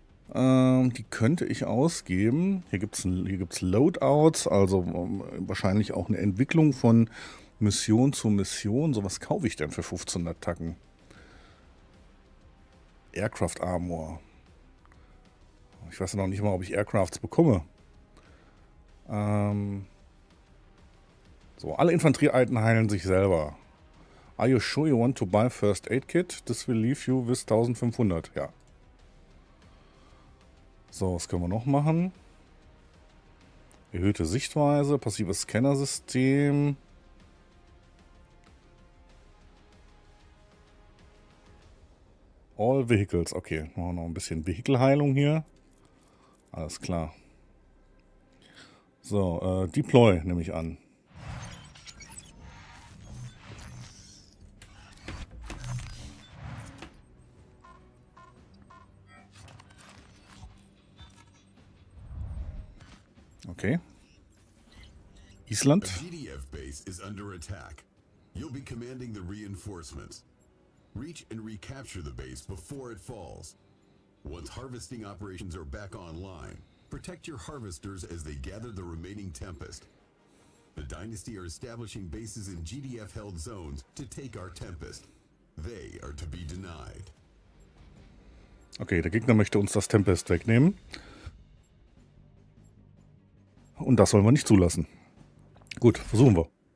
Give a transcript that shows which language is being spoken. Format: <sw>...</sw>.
<de>Die könnte ich ausgeben. Hier gibt's Loadouts, also wahrscheinlich auch eine Entwicklung von Mission zu Mission, sowas kaufe ich denn für 1500 Tacken? Aircraft Armor. Ich weiß noch nicht mal, ob ich Aircrafts bekomme. So, alle Infanterieeinheiten heilen sich selber.</de> <en>Are you sure you want to buy first aid kit? This will leave you with 1500.</en> <de>Ja. So, was können wir noch machen? Erhöhte Sichtweise, passives Scannersystem. All Vehicles. Okay, machen wir noch ein bisschen Vehikelheilung hier. Alles klar. So, Deploy nehme ich an. Okay. Island.</de> <en>The GDF base is under attack. You'll be commanding the reinforcements. Reach and recapture the base before it falls. Once harvesting operations are back online, protect your harvesters as they gather the remaining Tempest. The Dynasty are establishing bases in GDF-held zones to take our Tempest. They are to be denied.</en> <de>Okay, der Gegner möchte uns das Tempest wegnehmen. Und das sollen wir nicht zulassen. Gut, versuchen wir.</de>